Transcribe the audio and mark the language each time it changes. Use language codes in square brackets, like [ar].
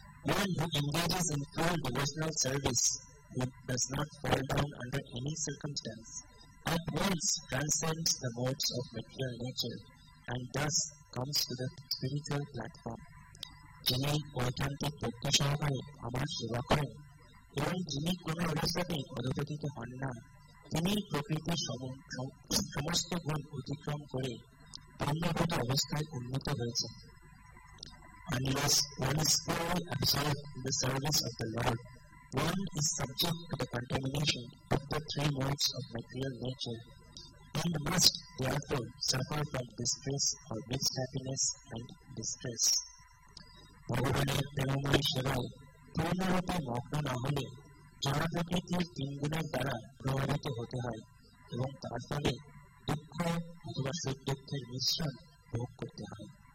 [en] One who engages in full devotional service, who does not fall down under any circumstance, at once transcends the modes of material nature and thus comes to the spiritual platform. [bn] যিনি ঐকান্তিক ভক্ত সহকারে আমার সেবা করেন এবং যিনি কোনো অবস্থাতেই পদপতিত হন না, তিনি প্রকৃতি সমস্ত গুণ অতিক্রম করে ধর্মভূত অবস্থায় উন্নত হয়েছে। [en] Unless one is fully absorbed in the service of the Lord, one is subject to the contamination of the three modes of material nature and must therefore suffer from distress or mixed happiness and distress. [bn] ভগবানের প্রেমময় সেবায় পূর্ণরূপে মগ্ন না হলে জড়প্রকৃতির তিন গুণের দ্বারা প্রভাবিত হতে হয় এবং তার ফলে দুঃখ অথবা সুখ দুঃখের মিশ্রণ ভোগ করতে হয়।